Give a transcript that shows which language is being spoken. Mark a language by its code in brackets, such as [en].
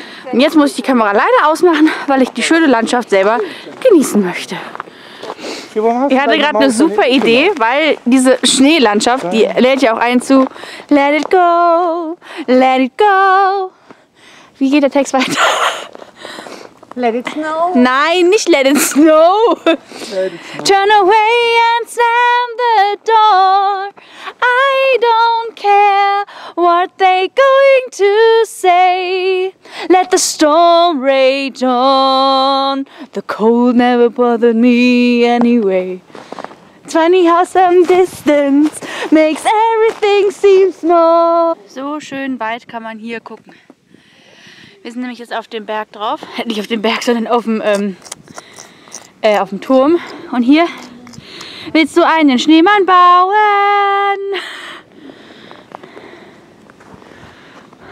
[de] Und jetzt muss ich die Kamera leider ausmachen, weil ich die schöne Landschaft selber genießen möchte. Ich hatte gerade eine super Idee, weil diese Schneelandschaft, die lädt ja auch ein zu [en] Let it go, let it go. [de] Wie geht der Text weiter? [en] Let it snow. [de] Nein, nicht [en] let it snow. Let it snow. Turn away and slam the door. I don't care what they going to say. Let the storm rage on. The cold never bothered me anyway. 20 awesome distance makes everything seem small. [de] So schön weit kann man hier gucken. Wir sind nämlich jetzt auf dem Berg drauf. Nicht auf dem Berg, sondern auf dem Turm. Und hier willst du einen Schneemann bauen?